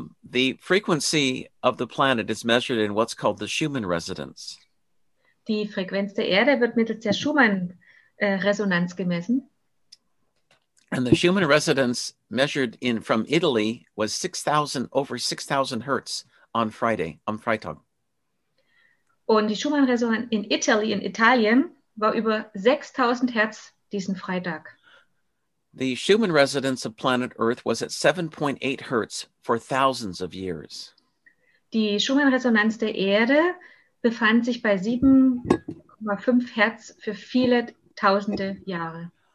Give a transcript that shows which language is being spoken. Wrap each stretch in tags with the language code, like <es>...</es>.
<en>The frequency of the planet is measured in what's called the Schumann resonance.</en> <de>Die Frequenz der Erde wird mittels der Schumann Resonanz gemessen.</de> <en>And the Schumann resonance measured in from Italy was 6,000 over 6,000 hertz on Friday, on Freitag.</en> <de>Und die Schumann resonanz in Italy, in Italien, war über 6,000 hertz diesen Freitag.</de> <en>The Schumann resonance of planet Earth was at 7.8 hertz for thousands of years.</en> <de>Die Schumann resonanz der Erde befand sich bei 7,5 hertz für viele tausende Jahre.</de>